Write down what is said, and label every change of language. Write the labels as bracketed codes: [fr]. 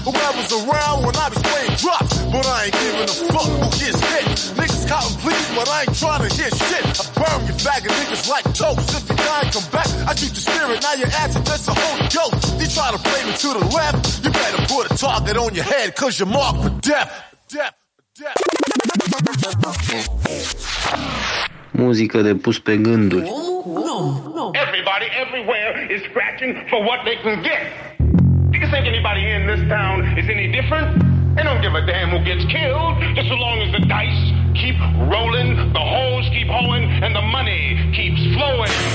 [en] Whoever's around when I be playing drops. But I ain't giving a fuck who gets hit. Niggas counting please, but I ain't trying to hear shit. I burn your faggot niggas like toast. If you die, come back. I keep your spirit, now your ass is just a holy ghost. You try to play me to the left, you better put a target on your head, cause you're marked for death. Death, death. [ro] Muzica de pus pe gânduri. [en] Everybody everywhere is scratching for what they can get. Do you think anybody in this town is any different? They don't give a damn who gets killed, just so long as the dice keep rolling, the hoes keep hoeing, and the money keeps flowing.